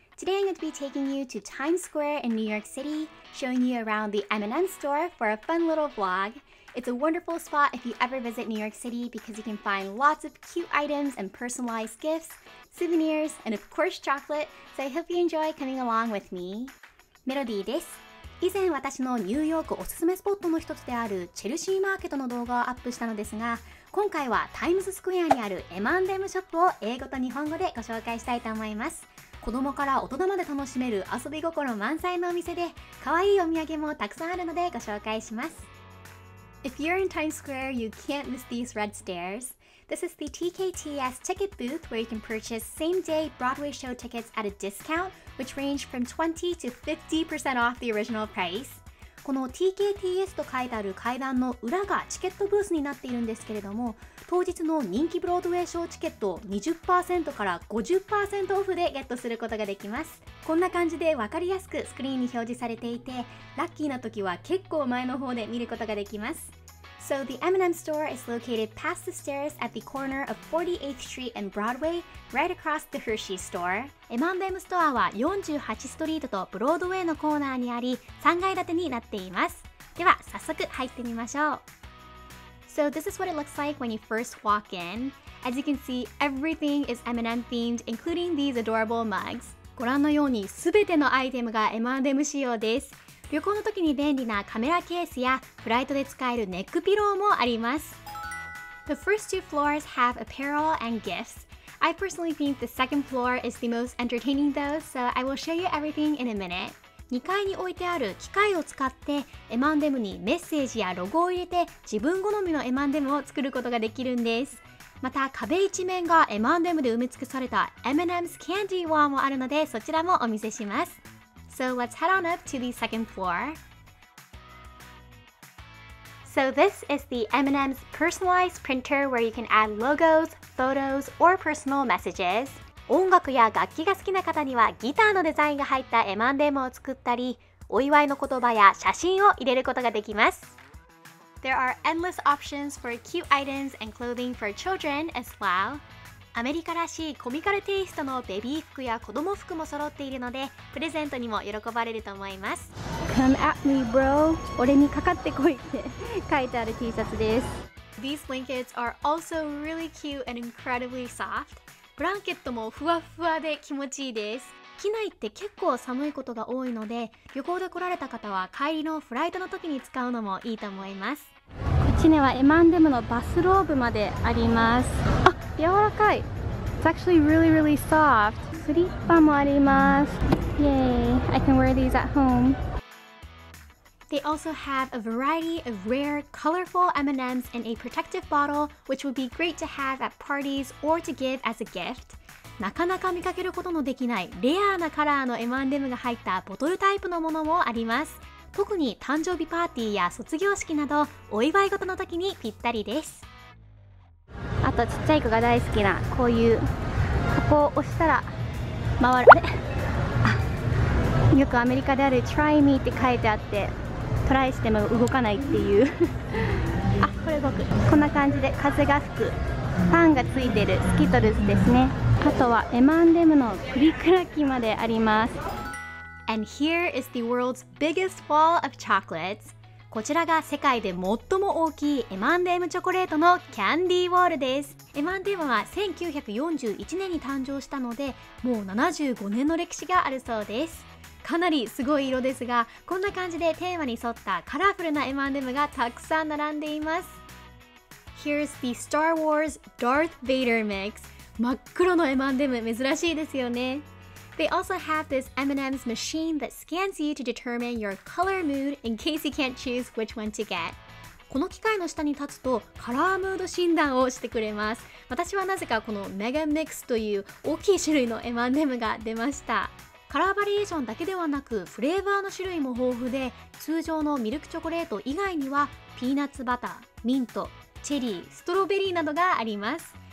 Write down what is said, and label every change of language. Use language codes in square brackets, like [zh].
[en] Today I'm going to be taking you to Times Square in New York City, showing you around the M&M store for a fun little vlog. It's a wonderful spot if you ever visit New York City because you can find lots of cute items and personalized gifts, souvenirs, and of course chocolate, so I hope you enjoy coming along with me. [ja] Melody です。以前私のニューヨークおすすめスポットの一つであるチェルシーマーケットの動画をアップしたのですが、今回はタイムズスクエアにある M&M ショップを英語と日本語でご紹介したいと思います。子供から大人まで楽しめる遊び心満載のお店で、可愛いお土産もたくさんあるのでご紹介します。 [en] If you're in Times Square, you can't miss these red stairs. This is the TKTS ticket booth where you can purchase same day Broadway show tickets at a discount which range from 20 to 50% off the original price. [ja] この TKTS と書いてある階段の裏がチケットブースになっているんですけれども、当日の人気ブロードウェイショーチケットを 20% から 50% オフでゲットすることができます。こんな感じで分かりやすくスクリーンに表示されていて、ラッキーな時は結構前の方で見ることができます。 [en] So the M&M store is located past the stairs at the corner of 48th Street and Broadway, right across the Hershey store. [ja] M&M ストアは48ストリートとブロードウェイのコーナーにあり、3階建てになっています。では早速入ってみましょう。 [en] So this is what it looks like when you first walk in. As you can see, everything is M&M themed, including these adorable mugs. [ja] ご覧のように全てのアイテムが M&M 仕様です。旅行の時に便利なカメラケースやフライトで使えるネックピローもあります。 [en] The first two floors have apparel and gifts. I personally think the second floor is the most entertaining though, so I will show you everything in a minute. [ja] 2階に置いてある機械を使って M&M にメッセージやロゴを入れて自分好みの M&M を作ることができるんです。また壁一面が M&M で埋め尽くされた M&M's Candy Wall もあるので、そちらもお見せします。 [en] So let's head on up to the second floor. So this is the M&M's personalized printer where you can add logos,Photos or personal messages. [ja] 音楽や楽器が好きな方にはギターのデザインが入った M&M を作ったり、お祝いの言葉や写真を入れることができます。 [en] There are endless options for cute items and clothing for children as well. [ja] アメリカらしいコミカルテイストのベビー服や子供服も揃っているので、プレゼントにも喜ばれると思います。 [en] Come at me, bro. [ja] 俺にかかってこいって書いてある T シャツです。 [en] These blankets are also really cute and incredibly soft. [ja] ブランケットもふわふわで気持ちいいです。機内って結構寒いことが多いので、旅行で来られた方は帰りのフライトの時に使うのもいいと思います。こっちには M&M のバスローブまであります。あ、柔らかい。 [en] It's actually really, really soft. [ja] スリッパもあります。 [en] Yay! I can wear these at home. They also have a variety of rare, colorful M&Ms in a protective bottle, which would be great to have at parties or to give as a gift. [ja] なかなか見かけることのできないレアなカラーの M&M が入ったボトルタイプのものもあります。特に誕生日パーティーや卒業式などお祝い事の時にぴったりです。あとちっちゃい子が大好きなこういう、ここを押したら回る。あれ? よくアメリカである Try Me って書いてあって、トライしても動かないっていう。あ、これ動く。こんな感じで風が吹く。ファンがついてるスキトルズですね。あとはM&Mのプリクラ機まであります。 [en] And here is the world's biggest wall of chocolates. [ja] こちらが世界で最も大きいM&Mチョコレートのキャンディーウォールです。 M&Mは1941年に誕生したので、もう75年の歴史があるそうです。かなりすごい色ですが、こんな感じでテーマに沿ったカラフルな M&M がたくさん並んでいます。 [en] Here's the Star Wars Darth Vader mix. [ja] 真っ黒の M&M、珍しいですよね。 [en] They also have this M&M's machine that scans you to determine your color mood in case you can't choose which one to get. [ja] この機械の下に立つとカラームード診断をしてくれます。私はなぜかこの Mega Mix という大きい種類の M&M が出ました。カラーバリエーションだけではなくフレーバーの種類も豊富で、通常のミルクチョコレート以外にはピーナッツバター、ミント、チェリー、ストロベリーなどがあります。